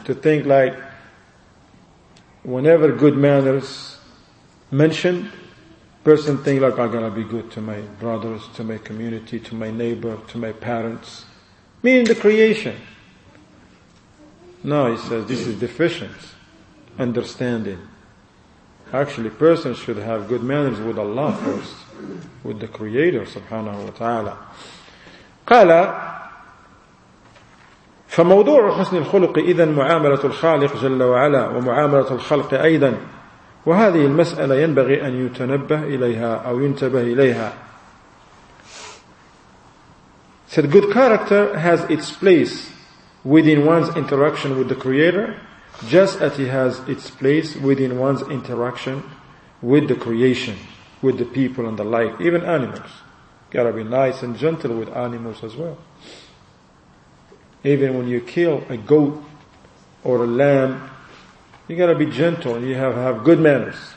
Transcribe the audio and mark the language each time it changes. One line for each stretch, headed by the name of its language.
English: To think like whenever good manners mentioned, person think like I'm gonna be good to my brothers, to my community, to my neighbor, to my parents. Meaning the creation. No, he says this is deficient understanding. Actually, person should have good manners with Allah first, with the Creator subhanahu wa ta'ala.
Arabic: Qala فموضوع حسن الخلق إذن معاملة الخالق جل وعلا ومعاملة الخلق أيضا وهذه المسألة ينبغي أن يتنبه إليها أو ينتبه إليها.
English: Said good character has its place within one's interaction with the Creator just as it has its place within one's interaction with the creation, with the people and the like, even animals. Gotta be nice and gentle with animals as well. Even when you kill a goat or a lamb, you gotta be gentle and you have good manners.